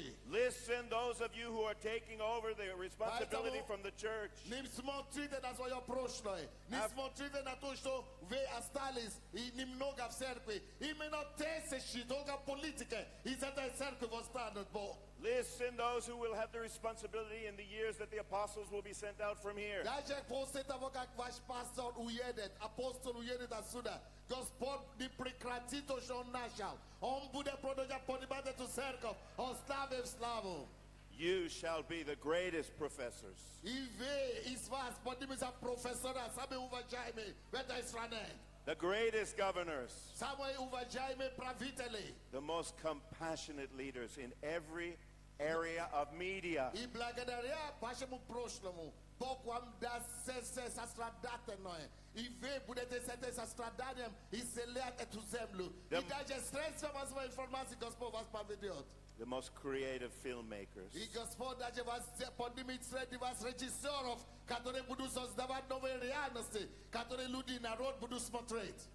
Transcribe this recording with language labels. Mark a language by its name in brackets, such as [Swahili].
[English] Listen, those of you who are taking over the responsibility from the church. Listen, send those who will have the responsibility in the years that the apostles will be sent out from here. [Russian] Я же после того, как ваш пастор уедет, апостол уедет отсюда, Господь не прекратит то, что он начал. Он будет продолжать поднимать эту церковь от славы в славу. [English] You shall be the greatest professors. [Russian] И вы из вас поднимется профессора, самый уважаемый в этой стране. [English] The greatest governors, [Russian] самые уважаемые правители, [English] the most compassionate leaders in every area of media. [Russian] И благодаря вашему прошлому, Бог вам даст сострадательное, и вы будете с этим состраданием исцелять эту землю. И даже средства массовой информации Господь вас поведет. [English] The most creative filmmakers. [Russian] И Господь даже вас поднимет среди вас режиссеров, которые будут создавать новые реальности, которые люди народ будут смотреть.